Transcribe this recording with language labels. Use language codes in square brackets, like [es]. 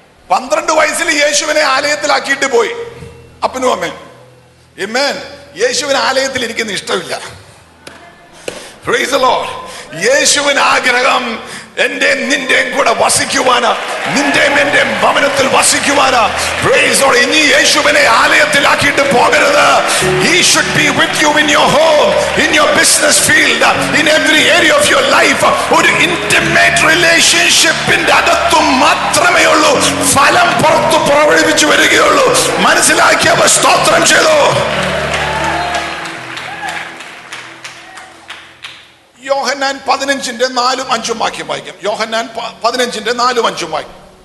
[ml] 12 യേശുവിനെ ആലയത്തിലാക്കിയിട്ട് പോയി അപ്പനും അമ്മയും. ആമേൻ. യേശുവിന് ആലയത്തിൽ ഇരിക്കുന്ന ഇഷ്ടമില്ല. [en] Praise the Lord. [ml] യേശുവിന് ആഗ്രഹം എന്റെ നിന്റെയും കൂടെ വസിക്കുവാനാ, നിന്റെയും എന്റെ ഭവനത്തിൽ വസിക്കുവാനാ. [en] Praise the Lord. [ml] ഇനി യേശുവിനെ ആലയത്തിലാക്കിയിട്ട് പോകരുത്. [en] He should be with you in your home, in your business field, in every area of your life. [ml] ഒരു ഇന്റിമേറ്റ് റിലേഷൻഷിപ്പിന്റെ അകത്തു മാത്രമേ ഉള്ളൂ ഫലം പുറത്തു പ്രവഹിച്ചു വരികയുള്ളൂ. മനസ്സിലാക്കിയവ സ്തോത്രം ചെയ്തു. യോഹന്നാൻ 15:4-5 വാക്യം വായിക്കാം. യോഹന്നാൻ 15:4-5 വായിക്കാം.